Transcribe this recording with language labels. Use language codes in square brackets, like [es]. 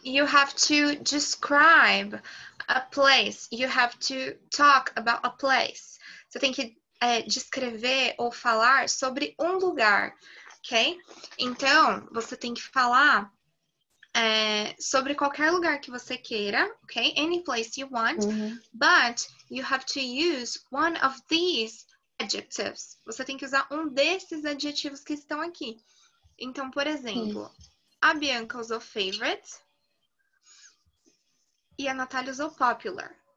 [en] You have to describe a place. You have to talk about a place. [pt] Você tem que descrever ou falar sobre lugar, ok? Então, você tem que falar sobre qualquer lugar que você queira, ok? [en] Any place you want, but you have to use one of these adjectives. [pt] Você tem que usar desses adjetivos que estão aqui. Então, por exemplo, a Bianca usou favorite e a Natália usou popular.